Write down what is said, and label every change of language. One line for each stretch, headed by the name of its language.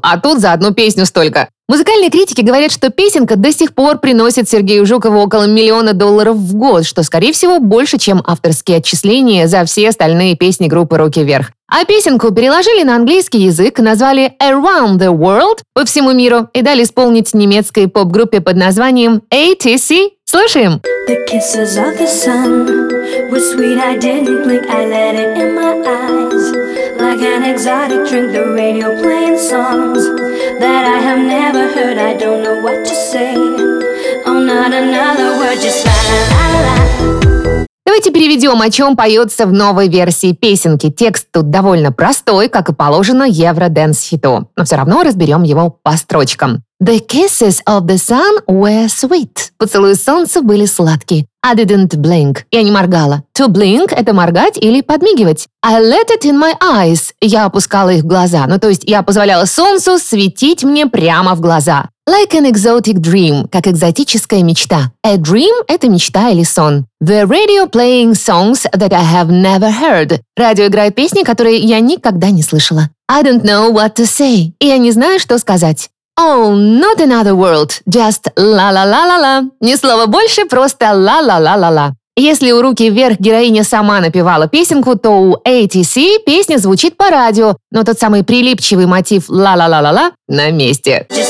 Russian: А тут за одну песню столько. Музыкальные критики говорят, что песенка до сих пор приносит Сергею Жукову около миллиона долларов в год, что, скорее всего, больше, чем авторские отчисления за все остальные песни группы «Руки вверх». А песенку переложили на английский язык, назвали «Around the World» — «По всему миру» и дали исполнить немецкой поп-группе под названием ATC. Слушаем!
English: The kisses of the sun were sweet, I didn't blink, I let it in my eyes. Like an exotic drink, the radio playing songs that I have never heard, I don't know what to say. Oh, not another word, just la-la-la-la-la.
Russian: Давайте переведем, о чем поется в новой версии песенки. Текст тут довольно простой, как и положено евро-дэнс-хиту. Но все равно разберем его по строчкам.
English: The kisses of the sun were sweet.
Russian: Поцелуи солнца были сладкие.
English: I didn't blink.
Russian: Я не моргала.
English: To blink —
Russian: это моргать или подмигивать.
English: I let it in my eyes.
Russian: Я опускала их в глаза. Ну, то есть я позволяла солнцу светить мне прямо в глаза.
English: Like an exotic dream,
Russian: как экзотическая мечта. A dream — это мечта или сон.
English: The radio playing songs that I have never heard.
Russian: Радио играет песни, которые я никогда не слышала.
English: I don't know what to say.
Russian: Я не знаю, что сказать.
English: Oh, not another world, just la-la-la-la-la.
Russian: Ни слова больше, просто la-la-la-la-la. Если у «Руки вверх» героиня сама напевала песенку, то у ATC песня звучит по радио, но тот самый прилипчивый мотив la-la-la-la-la на месте.